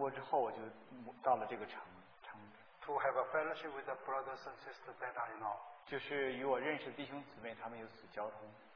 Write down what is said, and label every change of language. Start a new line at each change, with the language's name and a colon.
Chinese: 所以当我到了韩国之后，我就到了这个城。
English: To have a fellowship with the brothers and sisters that I know.
Chinese: 就是与我认识的弟兄姊妹，他们有所交通。